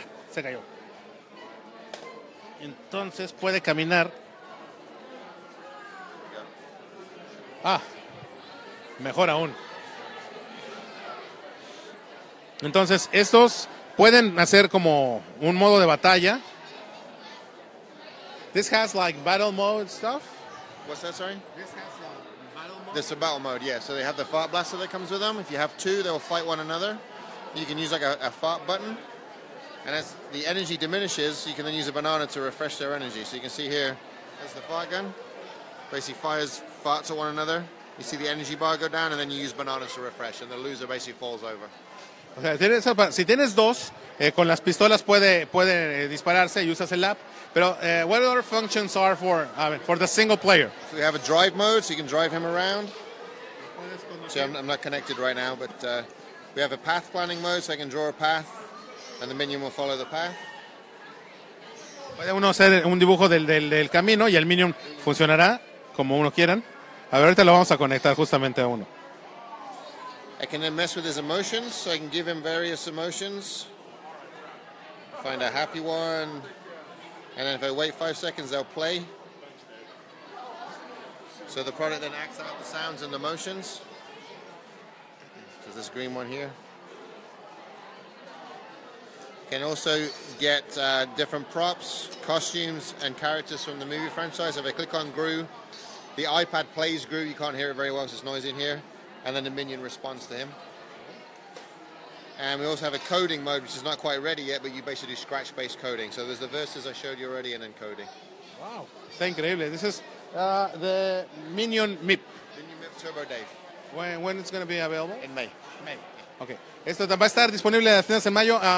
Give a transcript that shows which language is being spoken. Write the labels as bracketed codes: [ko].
[es] Se cayó. Entonces puede caminar. Ah, mejor aún. Entonces estos pueden hacer como un modo de batalla. [en] This has like battle mode stuff. What's that, sorry? This has a battle mode. This is a battle mode, yeah. So they have the fart blaster that comes with them. If you have two, they will fight one another. You can use like a fart button. And as the energy diminishes, you can then use a banana to refresh their energy. So you can see here, there's the fart gun. Basically fires farts at one another. You see the energy bar go down, and then you use bananas to refresh, and the loser basically falls over. [es] O sea, si tienes dos, con las pistolas puede dispararse y usas el app. [en] Pero, what other functions are for the single player? So we have a drive mode, so you can drive him around. See, I'm not connected right now, but we have a path planning mode, so I can draw a path. And the minion will follow the path. [es] Puede uno hacer un dibujo del camino y el minion funcionará como uno quieran. A ver, ahorita lo vamos a conectar justamente a uno. [en] I can then mess with his emotions, so I can give him various emotions. Find a happy one. And then if I wait 5 seconds, they'll play. So the product then acts out the sounds and the motions. So this green one here. Can also get different props, costumes, and characters from the movie franchise. If I click on Gru, the iPad plays Gru. You can't hear it very well because it's noisy in here. And then the minion responds to him. And we also have a coding mode, which is not quite ready yet, but you basically do scratch-based coding. So there's the verses I showed you already and then coding. Wow, [es] está increíble. [en] This is the Minion MIP. Minion MIP Turbo Dave. When it's going to be available? In May. May. Okay. [es] Esto va a estar disponible a finales de mayo.